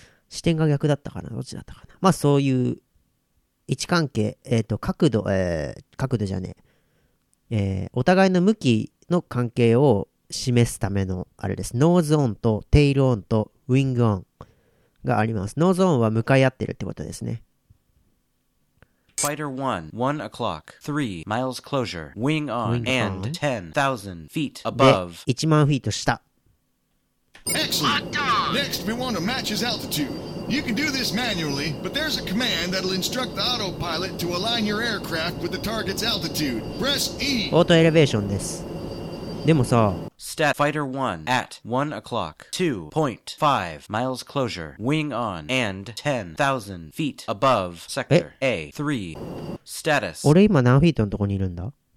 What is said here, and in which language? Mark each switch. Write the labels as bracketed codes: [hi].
[ja] 視点が逆だったかな、どっちだったかな。まあ、そういう、位置関係、角度じゃねえ。お互いの向きの関係を示すためのあれです。ノーズオンとテイルオンとウィングオンがあります。ノーズオンは向かい合ってるってことですね。 [en] Fighter 1, 1 o'clock, 3 miles closure, wing on, and 10,000 feet above. [ja] 1万フィート下。 [en] Excellent! Next, we want to match his altitude. You can do this manually, but there's a command that'll instruct the autopilot to align your aircraft with the target's altitude. Press E! [ja] オートエレベーションです。でもさ、 [en] Stat Fighter 1 at 1 o'clock, 2.5 miles closure, wing on, and 10,000 feet above sector A3. Status. [ja] 俺今何フィートのとこにいるんだ？